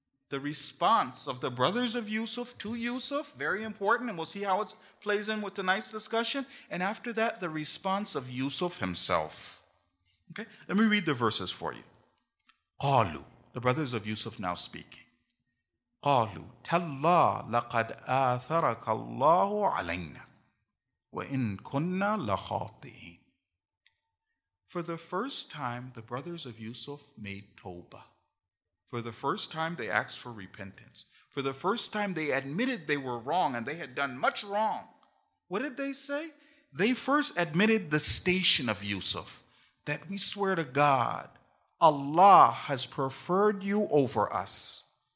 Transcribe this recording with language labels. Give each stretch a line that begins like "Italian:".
English: The response of the brothers of Yusuf to Yusuf, very important, and we'll see how it plays in with tonight's discussion. And after that, the response of Yusuf himself. Okay, let me read the verses for you. Qalu, the brothers of Yusuf now speaking.
Arabic: قالوا تالله لقد آثرك الله علينا وإن كنا لخاطئين.
English: For the first time, the brothers of Yusuf made Tawbah. For the first time, they asked for repentance. For the first time, they admitted they were wrong and they had done much wrong. What did they say? They first admitted the station of Yusuf, that we swear to God, Allah has preferred you over us.